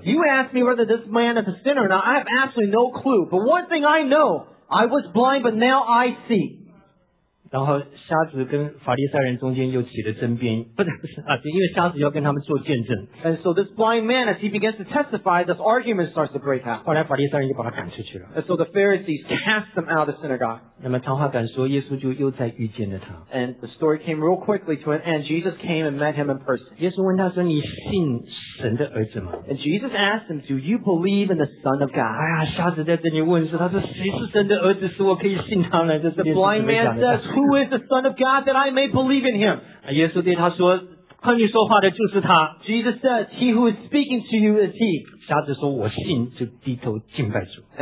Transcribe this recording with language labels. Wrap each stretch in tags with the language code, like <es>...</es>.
<en>You asked me whether this man is a sinner or not. I have absolutely no clue. But one thing I know, I was blind, but now I see.</en> <zh>然后瞎子跟法利赛人中间又起了争辩，不是，因为瞎子要跟他们做见证。</zh> <en>And so this blind man, as he begins to testify, this argument starts to break out.</en> <zh>后来法利赛人就把他赶出去了。</zh> <en>And so the Pharisees cast them out of the synagogue.</en> <zh>那么长话短说，耶稣就又再遇见了他。</zh> <en>And the story came real quickly to an end. Jesus came and met him in person.</en> <zh>耶稣问他说，你信神的儿子吗？</zh> <en>And Jesus asked him, do you believe in the Son of God?</en> <zh>哎呀，瞎子在这里问说，他说谁是神的儿子，使我可以信他呢？这是。</zh> <en>The blind man says, who is the Son of God that I may believe in him?</en> <zh>耶稣对他说，和你说话的就是他。</zh> <en>Jesus says, he who is speaking to you is he.</en> <zh>瞎子说，我信，就低头敬拜主。</zh>